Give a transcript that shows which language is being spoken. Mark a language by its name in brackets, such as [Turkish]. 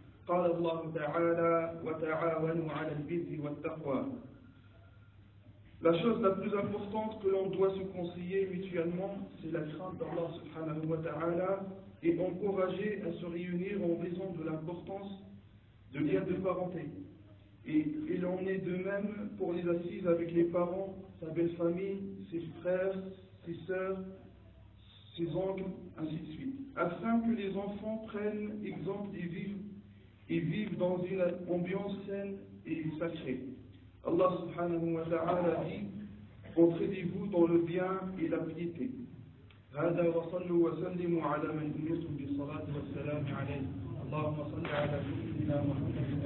[Arabic] قال الله تعالى: وتعاونوا على البر والتقوى. [French] La chose la plus importante que l'on doit se conseiller mutuellement, c'est la crainte d'Allah subhanahu wa ta'ala et encourager à se réunir en raison de l'importance de liens de parenté. Et il en est de même pour les assises avec les parents, sa belle-famille, ses frères, ses sœurs, ses oncles, ainsi de suite. Afin que les enfants prennent exemple et vivent dans une ambiance saine et sacrée. Allah subhanahu wa ta'ala dit: entraînez-vous dans le bien et la piété. [Arabic] هذا وصلوا وسلموا على من أمرتم بالصلاة والسلام عليه. اللهم صل على سيدنا محمد.